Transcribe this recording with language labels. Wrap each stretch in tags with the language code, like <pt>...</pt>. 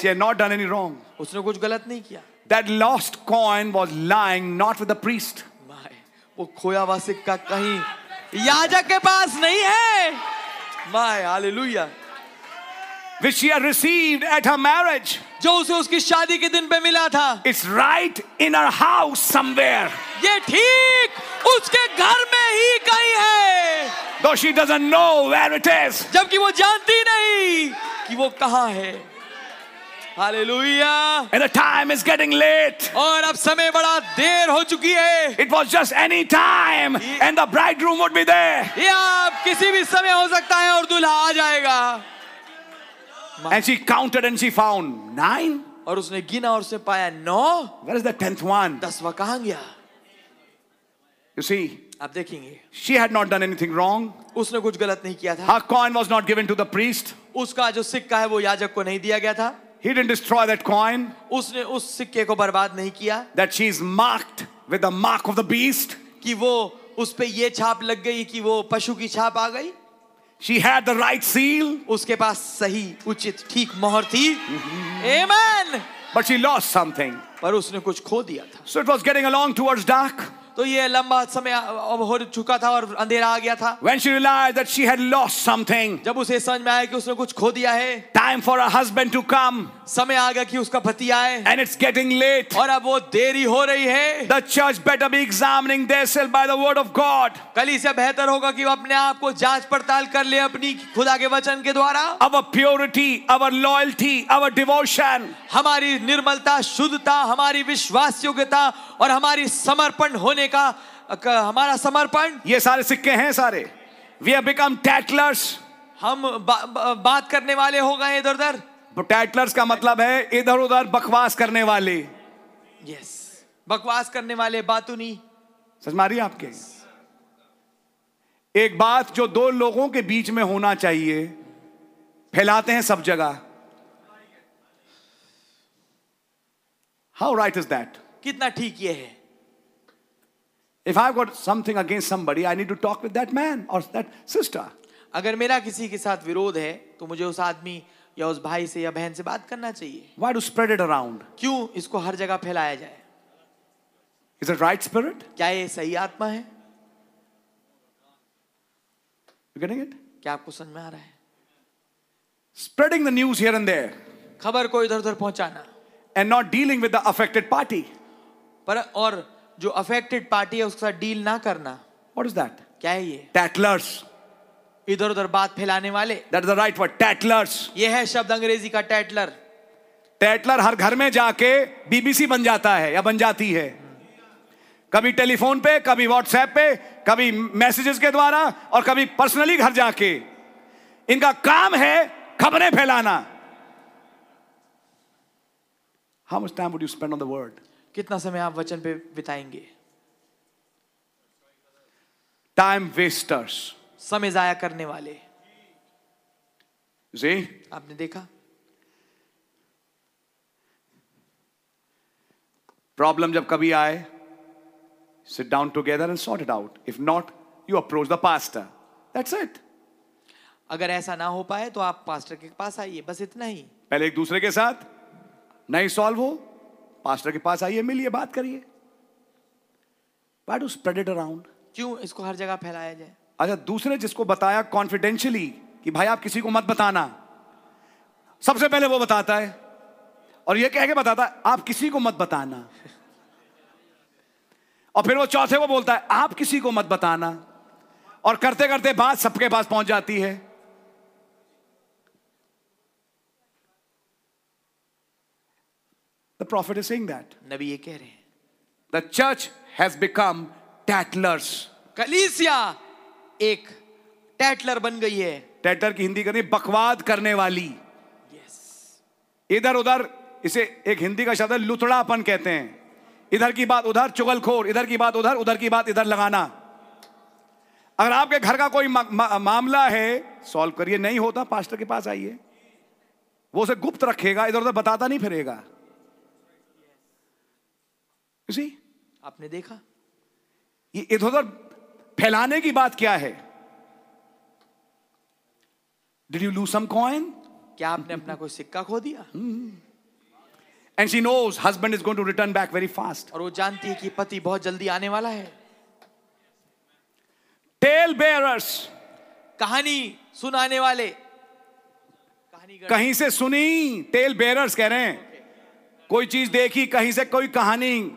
<en>she had not done any wrong.</en> <hi>उसने कुछ गलत नहीं किया.</hi> <en>That lost coin was lying not with the priest.</en> <hi>My, वो खोया हुआ सिक्का कहीं याजक के पास नहीं है.</hi> <en>My, hallelujah. Which she had received at her marriage.</en> <hi>जो उसे उसकी शादी के दिन पे मिला था.</hi> <en>It's right in her house somewhere.</en> <hi>ये ठीक उसके घर में ही कहीं है.</hi> <en>Though she doesn't know where it is.</en> <hi>जबकि वो जानती नहीं कि वो कहाँ है.</hi> <en>Hallelujah. And the time is getting late.</en> <hi>और अब समय बड़ा देर हो चुकी है.</hi> <en>It was just any time and the bridegroom would be there.</en> <hi>अब किसी भी समय हो सकता है और दूल्हा आ जाएगा.</hi> <en>And she counted and she found 9.</en> <hi>और उसने गिना और उसने पाया 9.</hi> <en>Where is the 10th one?</en> <hi>दसवां कहाँ गया?</hi> <en>You see,</en> <hi>आप देखेंगे.</hi> <en>She had not done anything wrong.</en> <hi>उसने कुछ गलत नहीं किया था.</hi> <en>Her coin was not given to the priest.</en> <hi>उसका जो सिक्का है वो याजक को नहीं दिया गया था.</hi> <en>He didn't destroy that coin.</en> <hi>उसने उस सिक्के को बर्बाद नहीं किया.</hi> <en>That she is marked with the mark of the beast.</en> <hi>कि वो उस पे ये छाप लग गई कि वो पशु की छाप आ गई.</hi> <en>She had the right seal.</en> <hi>उसके पास सही उचित ठीक मोहर थी.</hi> <en>Amen. But she lost something.</en> <hi>पर उसने कुछ खो दिया था.</hi> <en>So it was getting along towards dark.</en> <hi>तो ये लंबा समय हो चुका था और अंधेरा आ गया था.</hi> <en>When she realized that she had lost something,</en> <hi>जब उसे समझ में आया कि उसने कुछ खो दिया है.</hi> <en>Time for her husband to come,</en> <hi>समय आ गया कि उसका पति आए.</hi> <en>And it's getting late,</en> <hi>और अब वो देरी हो रही है.</hi> <en>The church better be examining themselves by the word of God.</en> <hi>कलीसिया बेहतर होगा कि वो अपने आप को जांच पड़ताल कर ले अपनी खुदा के वचन के द्वारा.</hi> <en>Our purity, our loyalty, our devotion,</en> <hi>हमारी निर्मलता, शुद्धता, हमारी विश्वास योग्यता और हमारी समर्पण होने का हमारा समर्पण. ये सारे सिक्के हैं सारे.</hi> <en>We have become tattlers.</en> <hi>हम बात करने वाले हो गए इधर उधर. Tattlers का मतलब है इधर उधर बकवास करने वाले. Yes, बकवास करने वाले बातुनी. समझ मारी आपके? एक बात जो दो लोगों के बीच में होना चाहिए फैलाते हैं सब जगह.</hi> <en>How right is that?</en> <hi>कितना ठीक ये है.</hi> <en>If I've got something against somebody, I need to talk with that man or that sister.</en> <hi>अगर मेरा किसी के साथ विरोध है तो मुझे उस आदमी या उस भाई से या बहन से बात करना चाहिए.</hi> <en>Why do spread it around?</en> <hi>क्यों इसको हर जगह फैलाया जाए?</hi> <en>Is it right spirit?</en> <hi>क्या ये सही आत्मा है?</hi> <en>You getting it?</en> <hi>क्या आपको समझ में आ रहा है?</hi> <en>Spreading the news here and there.</en> <hi>खबर को इधर उधर पहुंचाना.</hi> <en>And not dealing with the affected party.</en> <hi>पर और जो affected party है उसका deal ना करना.</hi> <en>What is that?</en> <hi>क्या है ये?</hi> <en>Tattlers.</en> <hi>इधर उधर बात फैलाने वाले.</hi> <en>That is the right word. Tattlers.</en> <hi>ये है शब्द अंग्रेजी का tattler. Tattler हर घर में जाके BBC बन जाता है या बन जाती है. कभी टेलीफोन पे, कभी व्हाट्सएप पे, कभी मैसेजेस के द्वारा और कभी पर्सनली घर जाके. इनका काम है खबरें फैलाना.</hi> <en>How much time would you spend on the word?</en> <hi>कितना समय आप वचन पे बिताएंगे?</hi> <en>Time wasters.</en> <hi>समय जाया करने वाले.</hi> <en>See?</en> <hi>आपने देखा?</hi> <en>Problem</en> <hi>जब कभी आए,</hi> <en>sit down together and sort it out. If not, you approach the pastor. That's it.</en> <hi>अगर ऐसा ना हो पाए तो आप पास्टर के पास आइए. बस इतना ही. पहले एक दूसरे के साथ नहीं सॉल्व हो, पास्टर के पास आइए, मिलिए, बात करिए.</hi> <en>Why do spread it around?</en> <hi>क्यों इसको हर जगह फैलाया जाए? अच्छा, दूसरे जिसको बताया कॉन्फिडेंशियली कि भाई आप किसी को मत बताना, सबसे पहले वो बताता है और ये कह के बताता है आप किसी को मत बताना. और फिर वो चौथे को बोलता है आप किसी को मत बताना. और करते करते बात सबके पास पहुंच जाती है.</hi> <en>The prophet is saying that.</en> <hi>नबी ये कह रहे हैं.</hi> <en>The church has become tattlers.</en> <hi>कलीसिया एक tattler बन गई है. Tattler की हिंदी करें बकवाद करने वाली.</hi> <en>Yes.</en> <hi>इधर उधर, इसे एक हिंदी का शब्द है लुतड़ापन कहते हैं. इधर की बात उधर, चुगलखोर, इधर की बात उधर, उधर की बात इधर लगाना. अगर आपके घर का कोई मामला है सॉल्व करिए, नहीं होता पास्टर के पास आइए. वो उसे गुप्त रखेगा, इधर उधर बताता नहीं फिरेगा. See? आपने देखा ये इधर उधर फैलाने की बात क्या है?</hi> <en>Did you lose some coin?</en> <hi>क्या आपने अपना कोई सिक्का खो दिया?</hi> <en>And she knows husband is going to return back very fast.</en> <hi>और वो जानती है कि पति बहुत जल्दी आने वाला है.</hi> <en>Tale bearers,</en> <hi>कहानी सुनाने वाले. कहीं से सुनी, tale bearers कह रहे हैं. कोई चीज देखी कहीं से, कोई कहानी</hi>